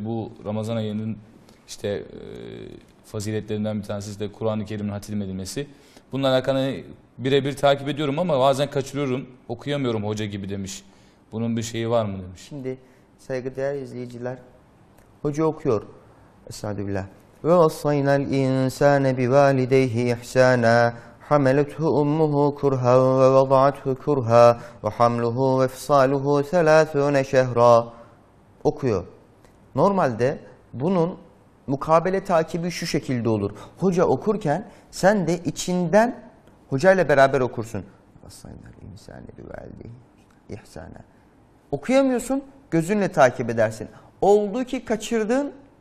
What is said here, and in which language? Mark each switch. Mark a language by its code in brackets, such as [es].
[tr] Bu Ramazan ayının işte faziletlerinden bir tanesi de Kur'an-ı Kerim'in hatimedilmesi. Bununla alakalı birebir takip ediyorum ama bazen kaçırıyorum, okuyamıyorum hoca gibi demiş. Bunun bir şeyi var mı demiş. Şimdi saygıdeğer izleyiciler, hoca okuyor. Estağfirullah. [ar] Ve vassayna l-insane bivalideyhi ihsana. حملته أمه كرها ووضعته كرها وحمله وفصاله 30 شهرا [tr] okuyor. Normalde bunun mukabele takibi şu şekilde olur. Hoca okurken sen de içinden hocayla beraber okursun. Aslanlar insanı güvendi. İhsana. Okuyamıyorsun, gözünle takip edersin. Oldu ki kaçırdın,